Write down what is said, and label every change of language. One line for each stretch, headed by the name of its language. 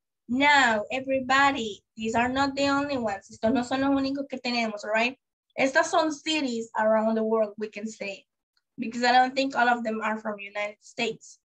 English: Now, everybody, these are not the only ones.
Spanish: Estos no son los únicos que tenemos,
English: all right?
Spanish: Estas son
English: cities around the world, we can say, because I don't think all of them are from the United States.